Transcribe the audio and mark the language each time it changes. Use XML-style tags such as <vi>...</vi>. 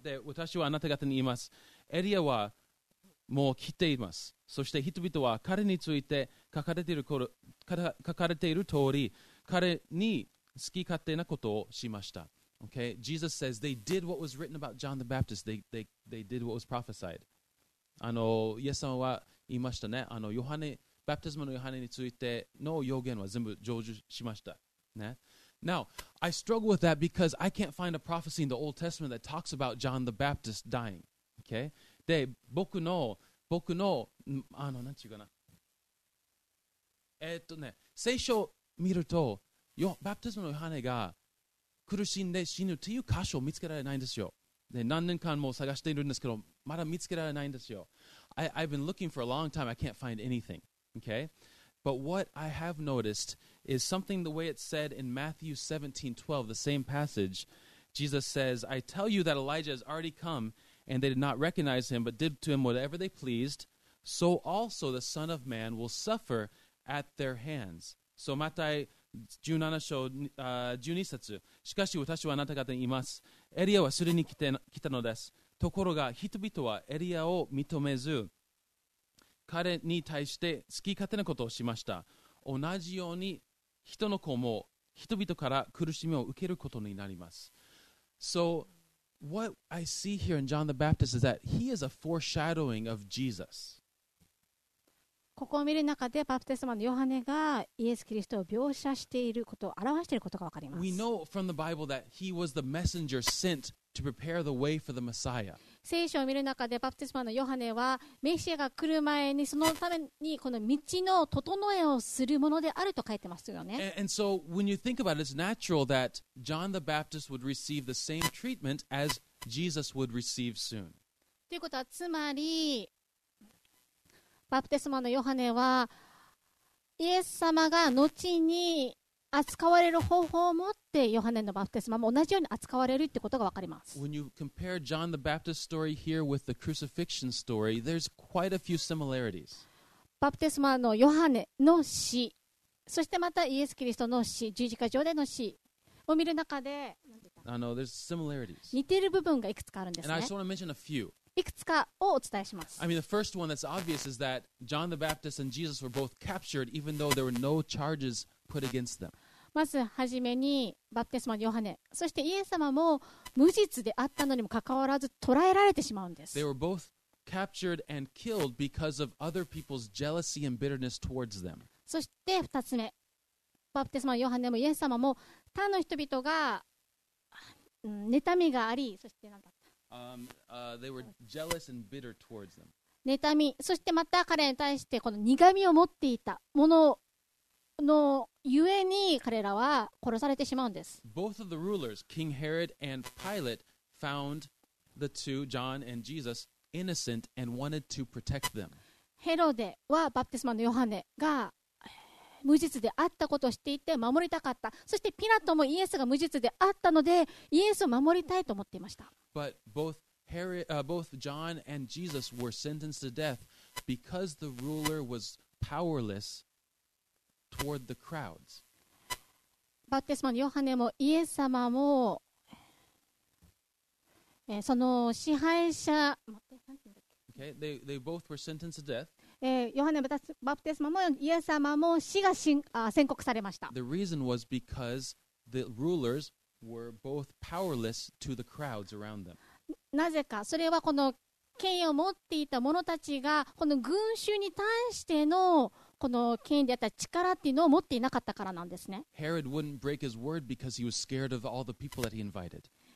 <ja>で、私はあなた方に言います、エリアはもう来ています、そして人々は彼について書かれている通り彼に好き勝手なことをしました。</ja> <en>Okay? Jesus says they did what was written about John the Baptist. They did what was prophesied.</en> <ja>イエス様は言いましたね。ヨハネ、バプテスマのヨハネについての予言は全部成就しました。ね。</ja> <en>Now, I struggle with that because I can't find a prophecy in the Old Testament that talks about John the Baptist dying. Okay?</en> <ja>で、僕の、なんていうかな。聖書見るとバプテスマのヨハネが苦しんで死ぬという箇所を見つけられないんですよ。で、何年間も探しているんですけど、まだ見つけられないんですよ。</ja> <en>I've been looking for a long time. I can't find anything. Okay? But what I have noticed is something the way it's said in Matthew 17:12, the same passage. Jesus says, I tell you that Elijah has already come, and they did not recognize him, but did to him whatever they pleased. So also the Son of Man will suffer at their hands. So, Matthew 17:12.</en> <ja>しかし私はあなた方に言います。エリアはすでに来たのです。ところが人々はエリアを認めず、彼に対して好き勝手なことをしました。同じように人の子も人々から苦しみを受けることになります。</ja> <en>So, what I see here in John the Baptist is that he is a foreshadowing of Jesus.</en> <ja>ここを見る中でバプテスマのヨハネがイエス・キリストを描写していることを表していることが分かります。</ja> <en>We know from the Bible that he was the messenger sent to prepare the way for the Messiah.</en> <ja>聖書を見る中でバプテスマのヨハネはメシアが来る前にそのためにこの道の整えをするものであると書いてますよね。</ja> <en>And so when you think about it, it's natural that John the Baptist would receive the same treatment as Jesus would receive soon.</en> <ja>ということはつまり、バプテスマのヨハネはイエス様が後に扱われる方法を持ってヨハネのバプテスマも同じように扱われるってことがわかります。</ja> <en>When you compare John the Baptist's story here with the crucifixion story, there's quite a few similarities.</en> <ja>バプテスマのヨハネの死、そしてまたイエス・キリストの死、十字架上での死を見る中で、</ja> <en>there's similarities.</en> <ja>似ている部分がいくつかあるんですね。</ja> <en>And I just want to mention a few.</en> <ja>いくつかをお伝えします。</ja> <en>I mean, the first one that's obvious is that John the Baptist and Jesus were both captured even though there were no charges put against them.</en> <ja>まずはじめにバプテスマのヨハネ、そしてイエス様も無実であったのにもかかわらず捕らえられてしまうんです。</ja> <en>They were both captured and killed because of other people's jealousy and bitterness towards them.</en> <ja>そして二つ目、バプテスマのヨハネもイエス様も他の人々が、うん、妬みがあり、そして何だった</ja> <en>They were jealous and bitter towards them.</en> <ja>妬み、そしてまた彼に対してこの苦みを持っていたものをのゆえに彼らは殺されてしまうんです。</ja> <en>Both of the rulers, King Herod and Pilate, found the two, John and Jesus, innocent and wanted to protect them.</en> <ja>ヘロデはバプテスマのヨハネが無実であったことを知っていて守りたかった。そしてピラトもイエスが無実であったのでイエスを守りたいと思っていました。</ja> <en>But both Herod, both John and Jesus were sentenced to death because the ruler was powerless. Toward the crowds.</en> <ja>バプテスマのヨハネもイエス様も、その支配者、</ja> <en>okay. they both were sentenced to death.</en> <ja>ヨハネもバプテスマもイエス様も死が宣告されました。</ja> <en>The reason was because the rulers were both powerless to the crowds around them.</en> <ja>なぜかそれはこの権威を持っていた者たちがこの群衆に対してのこの権威であったら力っていうのを持っていなかったからなんですね。ヘロデは自分の言葉を守れなかったからなんですね。</ja>